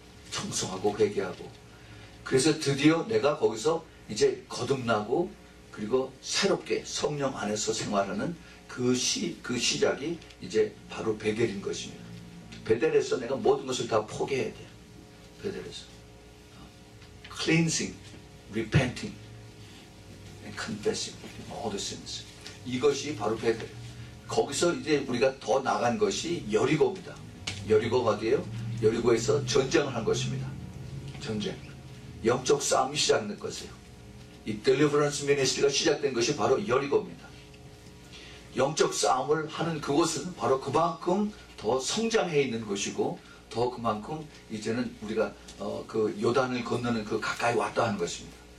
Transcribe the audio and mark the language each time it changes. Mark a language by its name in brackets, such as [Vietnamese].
[Korean] 청소하고 회개하고. 그래서 드디어 내가 거기서 이제 거듭나고 그리고 새롭게 성령 안에서 생활하는 그 시작이 이제 바로 베델인 것입니다. 베델에서 내가 모든 것을 다 포기해야 돼요. 베델에서. [English] Cleansing, repenting, and confessing all the sins. [Korean] 이것이 바로 베델. 거기서 이제 우리가 더 나간 것이 여리고입니다. 여리고가 돼요. 여리고에서 전쟁을 한 것입니다. 전쟁. 영적 싸움이 시작된 것이에요. 이 Deliverance Ministry가 시작된 것이 바로 여리고입니다. 영적 싸움을 하는 그곳은 바로 그만큼 더 성장해 있는 곳이고 더 그만큼 이제는 우리가 그 요단을 건너는 그 가까이 왔다 하는 것입니다.